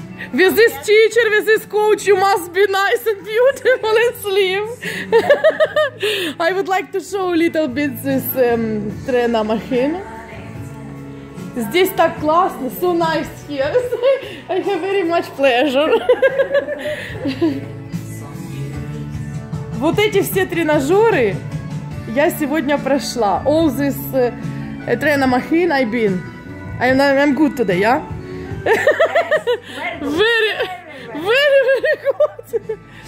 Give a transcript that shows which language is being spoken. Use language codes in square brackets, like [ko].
[en] With this teacher, with this coach, you must be nice and beautiful and slim. I would like to show a little bit this trainer machine. [ru] Здесь так классно, [en] so nice here. I have very much pleasure. [ru] Вот эти все тренажеры я сегодня прошла. [en] All this trainer machine I've been. I'm good today, yeah? Very good.